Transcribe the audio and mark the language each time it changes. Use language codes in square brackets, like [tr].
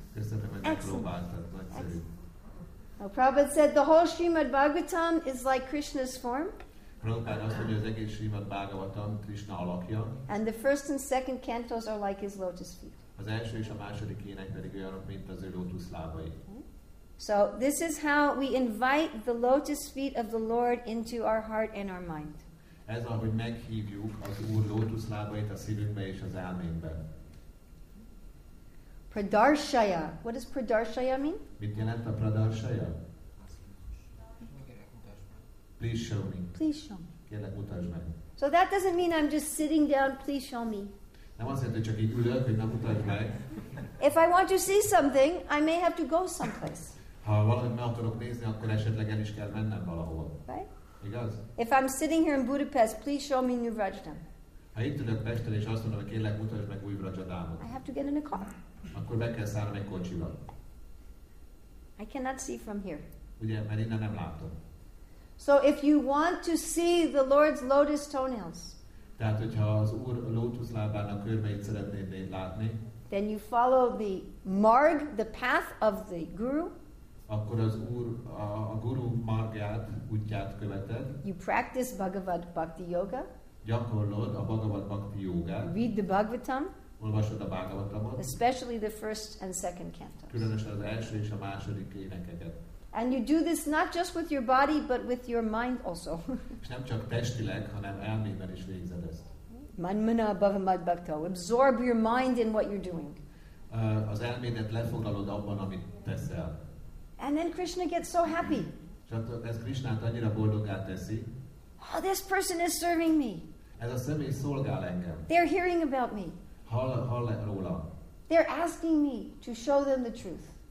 [hu] Köszönöm, hogy megpróbáltad. [en] Now, Prabhupada said the whole Srimad Bhagavatam is like Krishna's form. [hu] Prabhupada azt mondja, az egész Srimad Bhagavatam Krishna alakja. [en] And the first and second cantos are like his lotus feet. [hu] Az első és a második ének pedig olyanok, mint az ő lótusz lábai. [en] So this is how we invite the lotus feet of the Lord into our heart and our mind. [hu] Ez ahogy meghívjuk az Úr lótusz lábait a szívünkbe és az elménkbe. [en] Pradarshaya. What does Pradarshaya mean? [hu] Mit jelent a Pradarshaya? [en] Please show me. Please show me. [hu] Kérlek, mutasd meg. [en] So that doesn't mean I'm just sitting down, please show me. [hu] Nem azt jelenti, hogy csak így ülök, hogy nem mutasd meg. [en] If I want to see something, I may have to go someplace. [hu] Ha valamit meg akarok nézni, akkor esetleg el is kell mennem valahol. [en] Right? [hu] Igaz? [en] If I'm sitting here in Budapest, please show me New Rajdhan. [hu] Ha itt ülök Pesten, és azt mondom, hogy kérlek, mutasd meg új Rajdhanot. [en] I have to get in a car. [hu] Akkor be kell szállnom egy kocsiba. [en] I cannot see from here. [hu] Ugye, mert innen nem látom. [en] So if you want to see the Lord's lotus toenails, [hu] tehát hogyha az Úr lótusz lábának körmeit szeretnéd látni, [en] then you follow the marg, the path of the guru. [hu] Akkor az Úr a guru margját, útját követed. [en] You practice Bhagavad Bhakti Yoga. [hu] Gyakorlod a Bhagavad Bhakti Yoga. [en] Read the Bhagavatam. [hu] Olvasod a Bhagavatamot. [en] Especially the first and second cantos. [hu] Különösen az első és a második énekeket. [en] And you do this not just with your body, but with your mind also. [hu] És nem csak testileg, hanem elmében is végzed ezt. [sa] Manmana bhavamad bhakto. [en] Absorb your mind in what you're doing. [hu] Az elmédet lefoglalod abban, amit teszel. [en] And then Krishna gets so happy. [hu] Ez Krishnát annyira boldoggá teszi. [en] Oh, this person is serving me. [hu] Ez a személy szolgál engem. [en] They're hearing about me. [hu] Hall róla. [en] They're asking me to show them the truth.